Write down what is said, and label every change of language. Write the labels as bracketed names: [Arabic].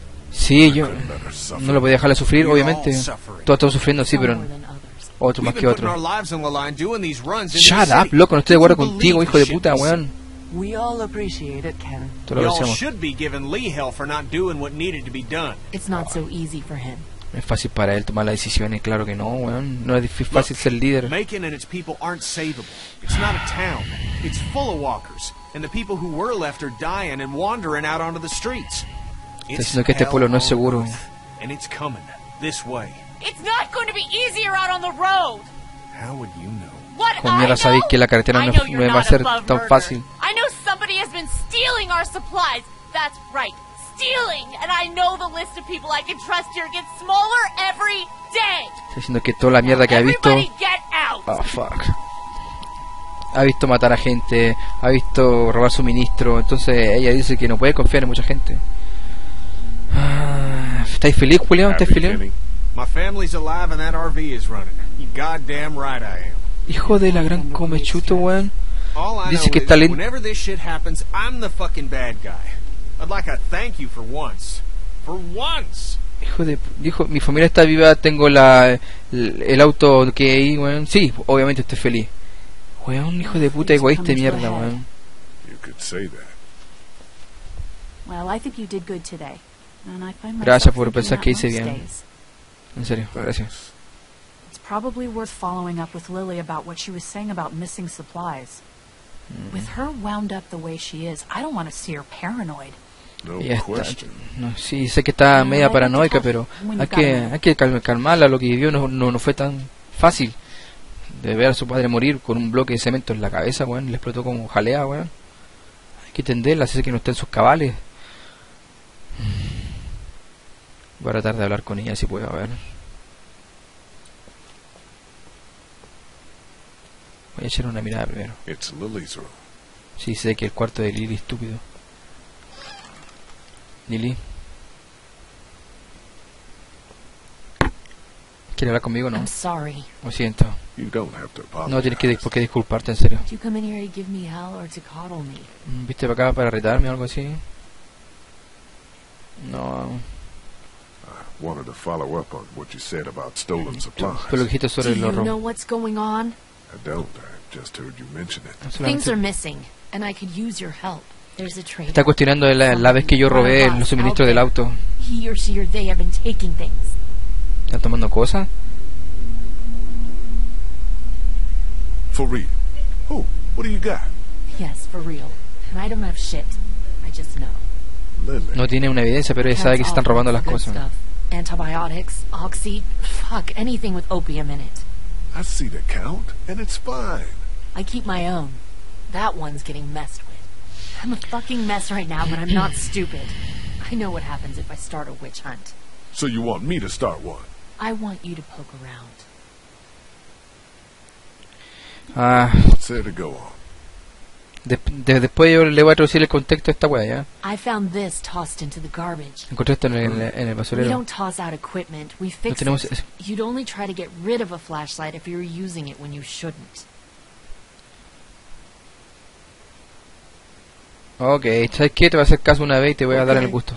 [Spanish] Sí, yo no lo podía dejarle sufrir, obviamente. Todos sufriendo, sí, pero otro más que otro. [English] Shut up, [Spanish] loco, no estoy de acuerdo contigo, hijo de puta, weón. [English] We all appreciate it, Ken. [Spanish] Todo lo deseamos. [English] We all should be giving Lee hell for not doing what needed to be done. It's not so easy for him. [Spanish] Es fácil para él tomar las decisiones, claro que no, weón. No es fácil ser líder. [English] Macon and its people aren't savable. It's not a town. It's full of walkers, and the people who were left are dying and wandering out onto the streets. [Spanish] Está diciendo que este pueblo no es seguro. [English] And it's coming this way. It's not going to be easier out on the road. How would you know? What [Spanish] con mierda sabéis que la carretera no va a ser tan fácil. [English] I know somebody has been stealing our supplies. That's right, stealing. And I know the list of people I can trust here gets smaller every day. [Spanish] Está diciendo que toda la mierda que ha visto. [English] Everybody get out. Oh fuck. [Spanish] Ha visto matar a gente, ha visto robar suministro. Entonces ella dice que no puede confiar en mucha gente. ¿Estáis feliz, Julio? ¿Estás feliz? [English] My family's alive and that RV is running. You goddamn right I am. [Spanish] Hijo de la gran comechuto, weón. Dice que está lindo. [English] Whenever this shit happens, I'm the fucking bad guy. I'd like a thank you for once. For once. [Spanish] Hijo, mi familia está viva, tengo el auto que hay, weón. Sí, obviamente estoy feliz. Weón, hijo de puta egoísta de mierda, weón. [English] You could say that. Well, I think you did good today. And I find [Spanish] gracias por pensar que hice bien. En serio, gracias. [English] It's probably worth following up with Lily about what she was saying about missing supplies. Mm. With her wound up the way she is, I don't want to see her paranoid. [Spanish] No, sí, sé que está media paranoica, pero hay que calmarla. Lo que vivió no fue tan fácil. De ver a su padre morir con un bloque de cemento en la cabeza, weón, le explotó como jalea, weón. Hay que entenderla, así que no esté en sus cabales. Voy a tratar de hablar con ella si puedo, a ver. Voy a echar una mirada primero. [English] It's Lily's room. [Spanish] Sí, sé que el cuarto de Lily, estúpido. Lily. ¿Quieres hablar conmigo o no? [English] I'm sorry. [Spanish] Lo siento. [English] You don't have to apologize. [Spanish] No tienes por qué disculparte, en serio. [English] You come in here to give me hell or to coddle me? [Spanish] ¿Viste para acá para retarme o algo así? [English] No. Wanted to follow up on what you said about stolen supplies. [Spanish] Pero dijiste sobre el [English] horror. Do you know what's going on? I don't. I just heard you mention it. Things are missing, and I could use your help. There's a traitor. [Spanish] Está cuestionando la vez que yo robé el suministro del auto. [English] He or she or they have been taking things. [Spanish] ¿Están tomando cosas? [English] For real. Who? What do you got? Yes, for real. And I don't have shit. I just know. Lily. [Spanish] No tiene una evidencia, pero ella sabe que se están robando las cosas. [English] Antibiotics, oxy, fuck, anything with opium in it. I see the count, and it's fine. I keep my own. That one's getting messed with. I'm a fucking mess right now, but I'm not stupid. I know what happens if I start a witch hunt. So you want me to start one? I want you to poke around. Ah. What's there to go on? [Spanish] Después yo le voy a traducir el contexto a esta wea, ¿ya? [English] I found this tossed into the garbage. [Spanish] Encontré esto en el basurero. [English] We don't toss out equipment, we fix no it. You'd only try to get rid of a flashlight if you were using it when you shouldn't. [Spanish] Okay, ¿sabes qué? Te voy a hacer caso una vez y te voy a dar el gusto.